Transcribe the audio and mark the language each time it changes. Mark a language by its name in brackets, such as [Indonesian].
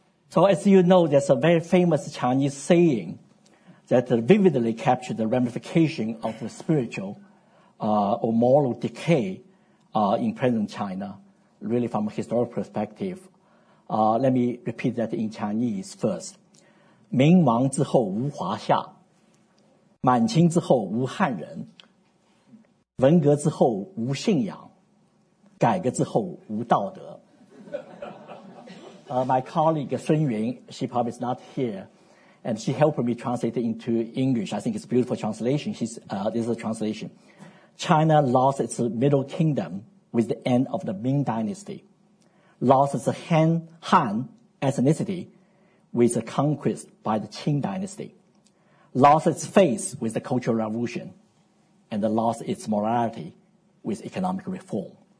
[English] So as you know, there's a very famous Chinese saying that vividly captured the ramification of the spiritual or moral decay in present China, really from a historical perspective. Let me repeat that in Chinese first. [Chinese] 明亡之后无华夏, 满清之后无汉人, 文革之后无信仰, 改革之后无道德. [English] My colleague Sun Yun, she probably is not here, and she helped me translate it into English. I think it's a beautiful translation. This is a translation. China lost its middle kingdom with the end of the Ming Dynasty, lost its Han ethnicity with the conquest by the Qing Dynasty, lost its faith with the Cultural Revolution, and lost its morality with economic reform.